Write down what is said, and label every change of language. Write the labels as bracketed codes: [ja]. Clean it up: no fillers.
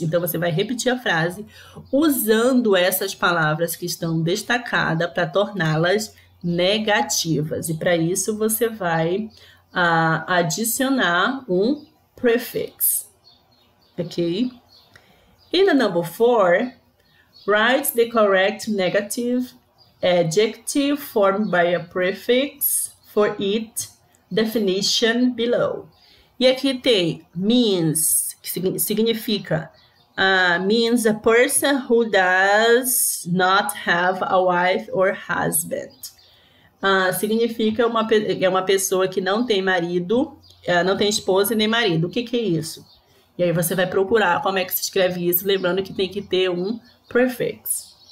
[pt] Então, você vai repetir a frase usando essas palavras que estão destacadas para torná-las negativas, e para isso você vai adicionar um prefix, ok? [en] In the number 4, write the correct negative adjective formed by a prefix for its definition below. [pt] E aqui tem [en] means, [pt] que significa [en] means a person who does not have a wife or husband. [pt] Significa uma pessoa que não tem marido, não tem esposa e nem marido. O que que é isso? E aí você vai procurar como é que se escreve isso, lembrando que tem que ter um prefix.